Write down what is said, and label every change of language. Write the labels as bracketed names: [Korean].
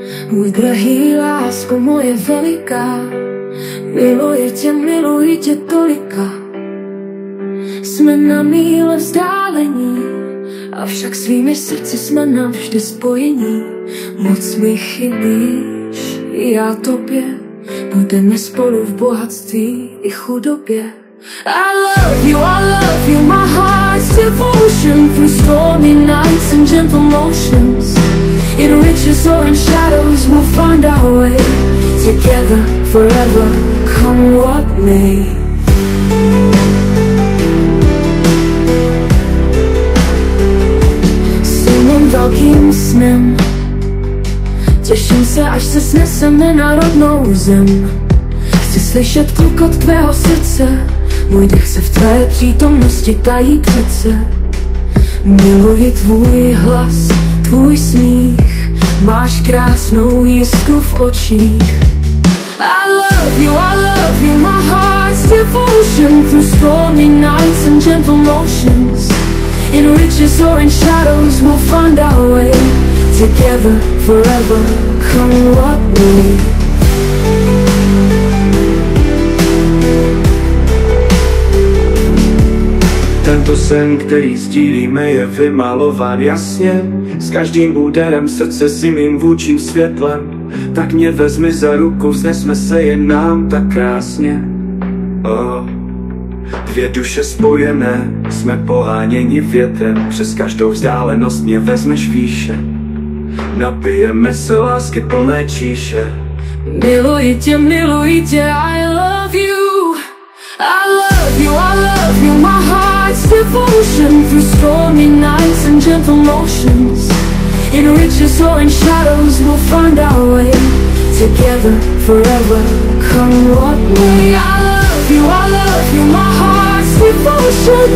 [Czech] Můj drahý lásko, moje veliká, miluje tě, miluji tě tolika. Jsme na míle vzdálení, avšak svými srdci jsme navždy spojení. Moc mi chybíš, i já tobě, budeme spolu v bohatství i chudobě. [English] I love you, my heart's devotion. Through stormy nights and gentle motions, in riches or in shadows, we'll find our way. Together, forever, come what may. [Czech] Synem velkým snem, těším se, až se sneseme na rodnou zem. Chci slyšet klukot tvého srdce, můj dech se v tvé přítomnosti tají přece. Miluji tvůj hlas, tvůj smích, máš krásnou jiskru v očích. [English] I love you, my heart's devotion. Through stormy nights and gentle motions, in riches or in shadows, we'll find our way. Together, forever, come what may. [Czech] Tento sen, který sdílíme, je vymalován jasně. S každým úderem srdce si mým vůčím světlem. Tak mě vezmi za ruku, vznesme se jen nám tak krásně. Oh. Dvě duše spojené, jsme poháněni větrem. Přes každou vzdálenost mě vezmeš výše. Napijeme se lásky plné číše. Miluji tě, miluji tě, [English] I love you. I love you, my heart's devotion. Through stormy nights and gentle motions, in riches or in shadows, we'll find our way. Together, forever, come what may. I love you, my heart's devotion.